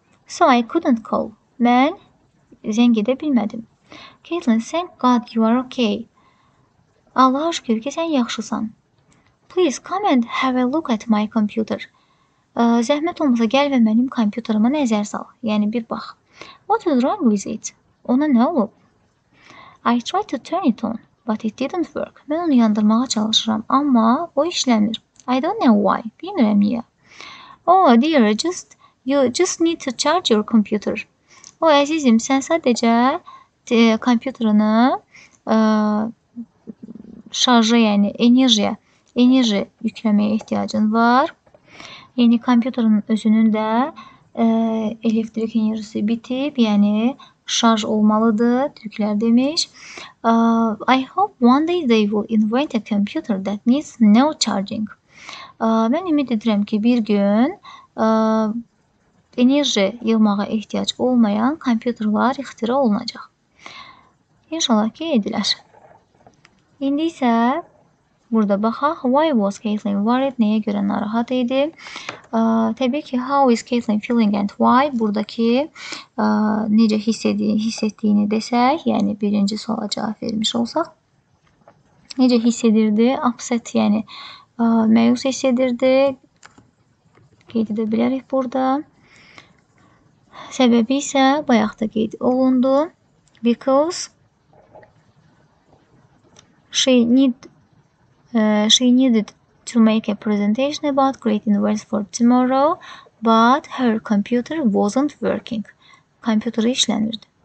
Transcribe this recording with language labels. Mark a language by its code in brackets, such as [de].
[en] So I couldn't call. [az] Mən zəng edə bilmədim. [en] Caitlin, thank God you are okay. [az] Allah'a şükür ki, sən yaxşısan. [en] Please come and have a look at my computer. [az] Zəhmət olmasa gəl və mənim kompüterimi nəzər sal. Yəni, bir bax. [en] What is wrong with it? [az] Ona nə olub? [en] I tried to turn it on, but it didn't work. [az] Mən onu yandırmağa çalışıram, amma o işləmir. I don't know why. Bilmirəm niyə. [en] Oh, dear, you just need to charge your computer. [az] Oh, əzizim, sən sadəcə kompüterini şarja, yəni enerji yükləməyə ehtiyacın var. Yəni, kompüterin özünün də elektrik enerjisi bitib, yəni şarj olmalıdır, türklər demiş. [en] I hope one day they will invent a computer that needs no charging. [az] Mən ümid edirəm ki, bir gün enerji yığmağa ehtiyac olmayan kompüterlər ixtira olunacaq. İnşallah ki, edilər. İndi isə burada baxaq. [en] Why was Caitlin worried? [az] Nəyə görə narahat idi? Təbii ki, [en] how is Caitlin feeling and why? [az] Buradakı necə hiss etdiyini desək, yəni birinci suala cavab vermiş olsaq. Necə hiss edirdi? [en] Upset, [az] yəni məyus hiss edirdi. Qeyd edə bilərik burada. Səbəbi isə bayaq da qeyd olundu. [en] Because she needed to make a presentation about creating words for tomorrow, but her computer wasn't working. [az] Kompüteri işləmirdi.